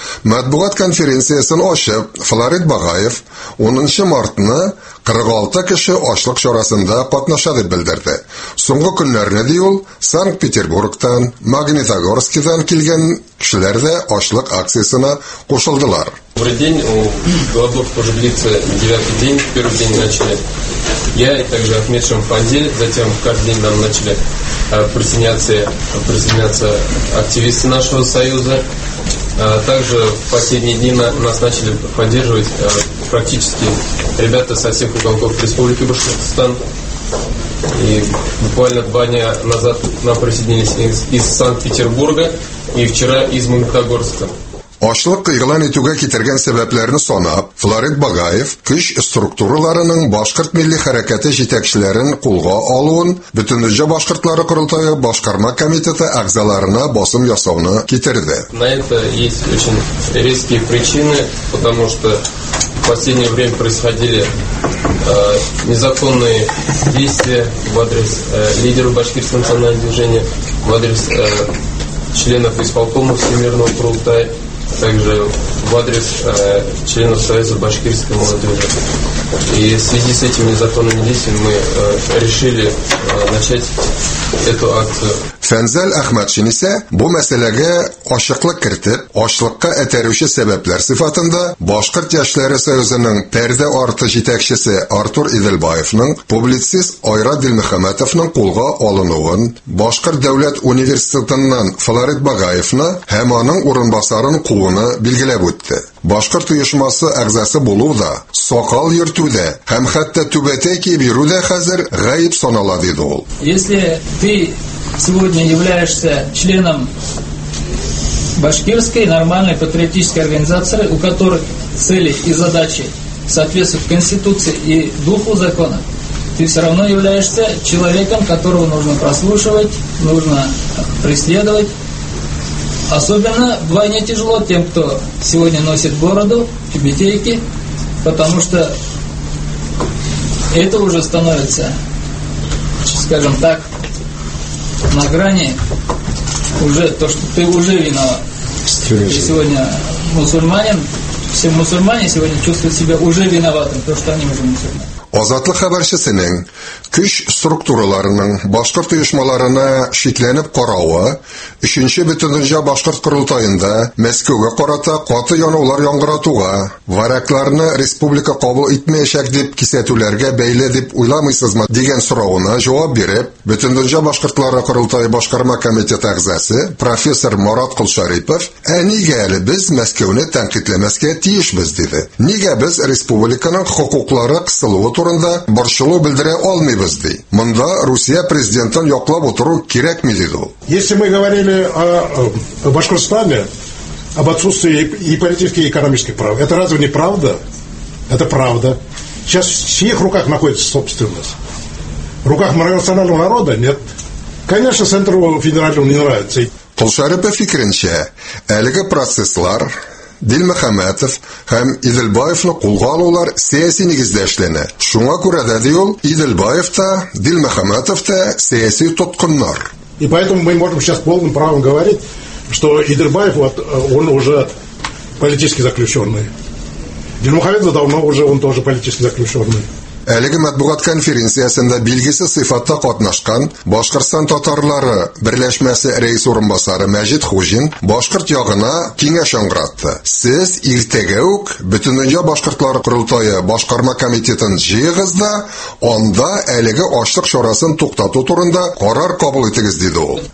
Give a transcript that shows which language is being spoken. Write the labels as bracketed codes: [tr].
[tt] Матбугат конференциясен ачып, Флорид Багаев 10 мартны 46 кеше ачлык чарасында катнаша дип белдерде. Соңгы көннәрне ди ул Санкт-Петербургтан, Магнитогорскидан килгән кешеләр дә ачлык акциясына кушылдылар. [ru] Добрый день, у голодов тоже длится 9-й день, первый день начали. Я и также отмечен Фанзель, затем каждый день нам начали присоединяться активисты нашего союза. Также в последние дни нас начали поддерживать практически ребята со всех уголков Республики Башкортостан. И буквально 2 дня назад нам присоединились из Санкт-Петербурга и вчера из Магнитогорска. [tt] Ачлык игълан итүгә китергән сәбәпләрне санап, Флорид Багаев көч структураларының башкорт милли хәрәкәте җитәкчеләрен кулга алуын, Бөтендөнҗә башкортлары корылтайы башкарма комитеты әгъзаларына басым ясауны китерде. [ru] На это есть очень резкие причины, потому что в последнее время происходили незаконные действия в адрес лидеров Башкирского национального движения, в адрес членов исполкома Всемирного Курултая. Также в адрес членов Союза Башкирской молодежи. И в связи с этими незаконными действиями мы решили начать эту акцию. [tt] Фәнзел Әхмәтшин исә бу мәсьәләгә ачыклык кертеп, ачлыкка этәрүче сәбәпләр сыйфатында Башкорт яшьләре союзының пәрдә арты җитәкчесе Артур Иделбаевның публицист Айра Дилмөхәммәтовның кулга алынуын, Башкорт дәүләт университетыннан Флорид Багаевны һәм аның урынбасарын кууны билгеләп үтте. Башкорт оешмасы әгъзасы булу да, сакал йөртүдә һәм хәтта түбәтәй киеп йөрү дә хәзер гаеп санала, диде ул. [ru] Если ты сегодня являешься членом башкирской нормальной патриотической организации, у которой цели и задачи соответствуют Конституции и духу закона, ты все равно являешься человеком, которого нужно прослушивать, нужно преследовать. Особенно вдвойне тяжело тем, кто сегодня носит бороду, тюбетейки, потому что это уже становится, скажем так, на грани уже то, что ты уже виноват. Ты сегодня мусульманин. Все мусульмане сегодня чувствуют себя уже виноватым, потому что они уже мусульмане. [tt] Азатлык хәбәрчесенең көч структураларының башкорт оешмаларына шикләнеп карауы 3-нче Бөтендөнҗә башкорт корылтайында Мәскәүгә карата каты янаулар яңгыратуга, варакларны республика кабул итмәячәк дип кисәтүләргә бәйле дип уйламыйсызмы дигән соравына җавап биреп, Бөтендөнҗә башкортлары корылтайы башкарма комитеты әгъзасы профессор Марат Кулшарипов: "Әнигә әле без Мәскәүне тәнкитләмәскә тиешбез?" диде. "Нигә без республиканың хукуклары кысылу турында борчылу белдерә алмыйбыз?" ди. Монда Русия президентын яклап утыру кирәкме, диде ул. [ru] Если мы говорили о Башкортстане, об отсутствии и политических, и экономических прав, это разве не правда? Это правда. Сейчас в чьих руках находится собственность? В руках многонационального народа? Нет. Конечно, центру федерального не нравится. [tt] Кулшарипов фикренчә, әлеге процесслар Дилмөхәммәтов һәм Иделбаевны кулга алулар сәяси нигездә эшләнә. Шуңа күрә дә ди ул, Иделбаев та, Дилмөхәммәтов та сәяси тоткыннар. [ru] И поэтому мы можем сейчас полным правом говорить, что Иделбаев, вот, он уже политически заключенный. Дилмөхәммәтов давно уже, он тоже политически заключенный. [tt] Әлеге матбугат конференциясендә билгесез сыйфатта катнашкан Башкортстан татарлары берләшмәсе рәис урынбасары Мәҗит Хужин башкорт ягына киңәш яңгыратты. Сез иртәгә үк Бөтендөнҗә башкортлары корылтайы башкарма комитетын җыегыз да, анда әлеге ачлык чарасын туктату турында карар кабул итегез, диде ул.